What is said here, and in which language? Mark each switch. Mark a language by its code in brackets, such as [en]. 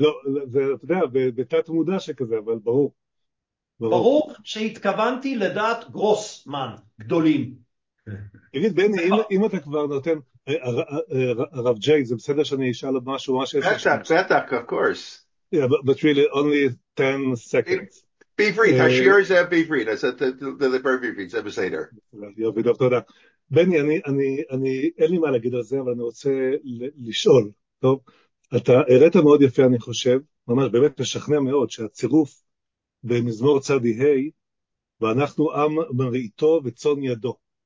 [he] לא, זה, אתה יודע, בתת מודע שכזה, אבל ברור. ברור. ברור שהתכוונתי לדעת גרוסמן גדולים. תגיד, בני, אם אתה כבר נותן, הרב ג'יי, זה בסדר שאני אשאל משהו, מה שאתה... בטח, בטח, [en] of course. Yeah, but really, only 10 seconds. [he] Be free, השיר זה be free, זה דבר be free, זה בסדר. יופי, טוב, תודה. בני, אני, אין לי מה להגיד על זה, אבל אני רוצה לשאול, טוב? אתה הראית מאוד יפה, אני חושב, ממש באמת משכנע מאוד, שהצירוף במזמור צדי ה', ואנחנו עם מרעיתו וצאן ידו.